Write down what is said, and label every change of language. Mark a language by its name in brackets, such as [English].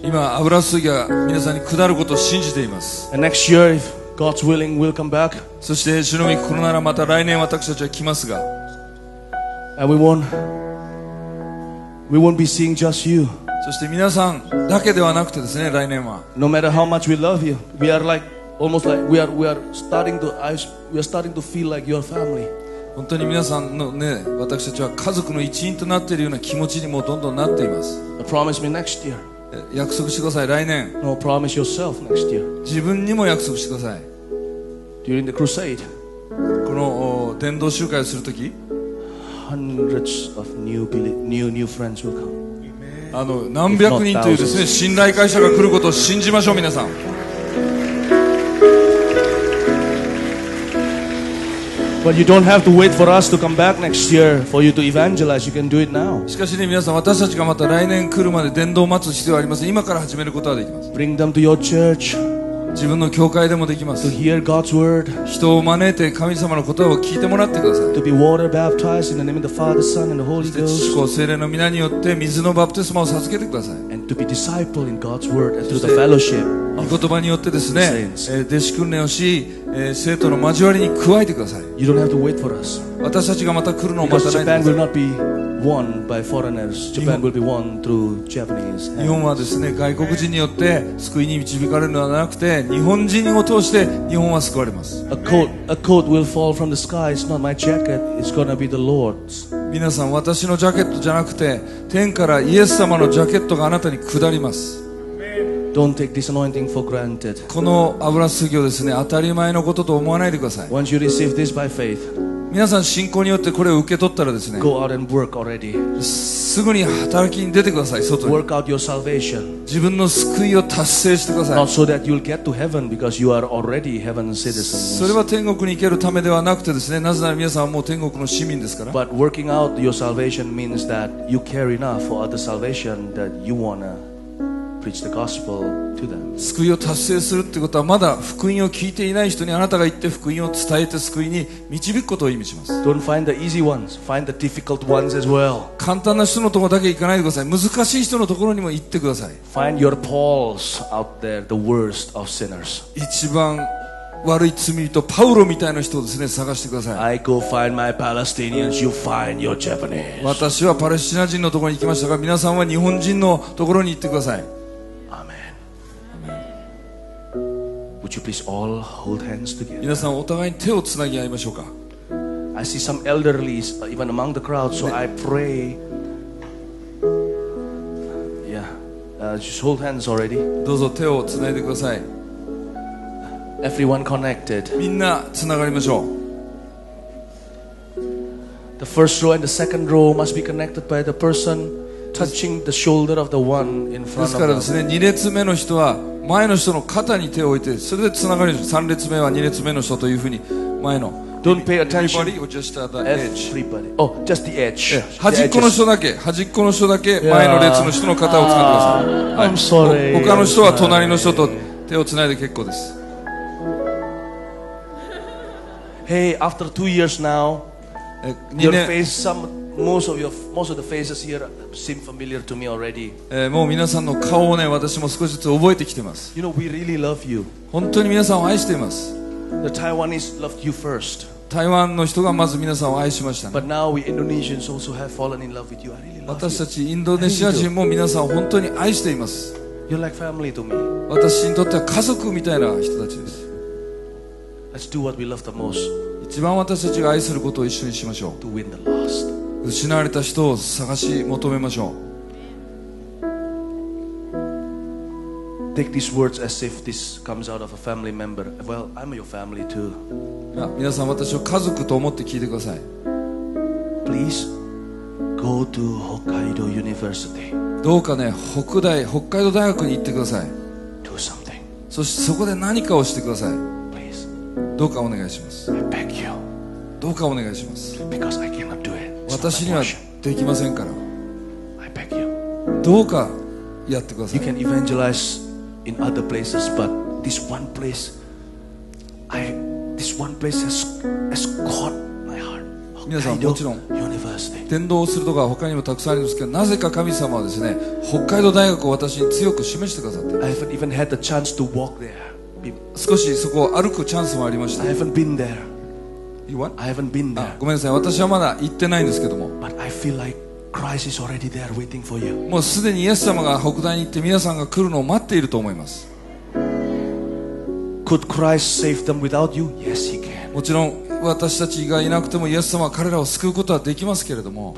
[Japanese] 今油注ぎが皆さんに下ることを信じています。 [English] And next year, if God's willing, we'll come back. [Japanese] そして主の御心ならまた来年私たちは来ますが。 [English] And we won't be seeing just you. [Japanese] そして皆さんだけではなくてですね、来年は。 [English] No matter how much we love you, we are like almost like we are starting to feel like your family. [Japanese] 本当に皆さんのね、私たちは家族の一員となっているような気持ちにもどんどんなっています。 [English] Promise me next year. [Japanese] 約束してください、来年。 [English] No, promise yourself next year. [Japanese] 自分にも約束してください。 [English] During the crusade. [Japanese] この伝道集会をするとき、 [English] Hundreds of new friends will come. [Japanese] 何百人というですね、信頼会社が来ることを信じましょう、皆さん。 [English] But you don't have to wait for us to come back next year for you to evangelize. You can do it now. [Japanese] しかしね、皆さん、私たちがまた来年来るまで伝道を待つ必要はありません。今から始めることはできます。 [English] Bring them to your church. [Japanese] 自分の教会でもできます。 [English] To hear God's word. [Japanese] 人を招いて神様の言葉を聞いてもらってください。 [English] To be water baptized in the name of the Father, Son, and the Holy Ghost. [Japanese] そして父子聖霊の皆によって水のバプテスマを授けてください。 [English] And to be discipled in God's word and through the fellowship. [Japanese] 御言葉によってですね、弟子訓練をし、生徒の交わりに加えてください。 [English] you don't have to wait for us. [Japanese] 私たちがまた来るのを待たないんです。 [English] Japan will not be won by foreigners. Japan will be won through Japanese. [Japanese] 日本はですね、外国人によって救いに導かれるのではなくて、日本人を通して日本は救われます。 [English] A coat will fall from the sky. It's not my jacket. It's gonna be the Lord's. [Japanese] 皆さん、私のジャケットじゃなくて、天からイエス様のジャケットがあなたに下ります。 [English] Don't take this anointing for granted. [Japanese] この油注ぎをですね、当たり前のことと思わないでください。 [English] Once you receive this by faith, [Japanese] 皆さん信仰によってこれを受け取ったらですね、 [English] Go out and work already. [Japanese] すぐに働きに出てください、外に。 [English] Work out your salvation. [Japanese] 自分の救いを達成してください。 [English] Not so that you'll get to heaven because you are already heaven's citizens. [Japanese] それは天国に行けるためではなくてですね、なぜなら皆さんはもう天国の市民ですから。 [English] But working out your salvation means that you care enough for other salvation that you wanna. Preach the gospel to them. [Japanese] 救いを達成するってことは、まだ福音を聞いていない人にあなたが行って福音を伝えて救いに導くことを意味します。 [English] Don't find the easy ones. Find the difficult ones as well. [Japanese] 簡単な人のところだけ行かないでください。難しい人のところにも行ってください。 [English] Find your Pauls out there, the worst of sinners. [Japanese] 一番悪い罪人、パウロみたいな人をですね、探してください。 [English] I go find my Palestinians, you find your Japanese. [Japanese] 私はパレスチナ人のところに行きましたが、皆さんは日本人のところに行ってください。 [English] Would you please all hold hands together? [Japanese] 皆さんお互いに手をつなぎ合いましょうか。 [English] I see some elderly even among the crowd, so I pray. Yeah, just hold hands already. [Japanese] どうぞ手をつないでください。 [English] Everyone connected. [Japanese] みんなつながりましょう。 [English] The first row and the second row must be connected by the person touching the shoulder of the one in front of them. [Japanese] ですからですね、2列目の人は前の人の肩に手を置いて、それでつながる。 3列目は2列目の人というふうに前の。 [English] Don't pay attention. Everybody or just the edge. Everybody. Oh, just the edge. [Japanese] 端っこの人だけ、端っこの人だけ前の列の人の肩をつかんでください。い、 [English] I'm sorry. [Japanese] 他の人は隣の人と手をつないで結構です。 [English] Hey, after 2 years now, your face some. Most of the faces here seem familiar to me already. [Japanese] もう皆さんの顔をね、私も少しずつ覚えてきてます。 [English] You know, we really love you. [Japanese] 本当に皆さんを愛しています。 [English] The Taiwanese loved you first. [Japanese] 台湾の人がまず皆さんを愛しましたね。 [English] But now we Indonesians also have fallen in love with you. I really love you. [Japanese] 私たちインドネシア人も皆さんを本当に愛しています。 [English] You're like family to me. [Japanese] 私にとっては家族みたいな人たちです。 [English] Let's do what we love the most. [Japanese] 一番私たちが愛することを一緒にしましょう。 [English] To win the lost. [Japanese] 失われた人を探し求めましょう。 [English] Take these words as if this comes out of a family member. Well, I'm your family too. [Japanese] 皆さん、私を家族と思って聞いてください。 [English] Please go to Hokkaido University. [Japanese] どうかね、北海道大学に行ってください。 [English] Do something. [Japanese] そしてそこで何かをしてください。 [English] Please. [Japanese] どうかお願いします。 [English] I beg you. [Japanese] どうかお願いします。 [English] Because I cannot do it. [Japanese] 私にはできませんから。 [English] I beg you. [Japanese] どうかやってください。 [English] You can evangelize in other places, but this one place has caught my heart. [Japanese] 皆さん、もちろん伝道するとか他にもたくさんありますけど、なぜか神様はですね、北海道大学を私に強く示してくださって。 [English] I haven't even had the chance to walk there. [Japanese] 少しそこを歩くチャンスもありました。 [English] I haven't been there. What? I haven't been there. [Japanese] ごめんなさい、私はまだ行ってないんですけども。 [English] But I feel like Christ is already there waiting for you. [Japanese] もうすでにイエス様が北大に行って皆さんが来るのを待っていると思います。 [English] Could Christ save them without you? Yes, he can. [Japanese] もちろん私たちがいなくてもイエス様は彼らを救うことはできますけれども。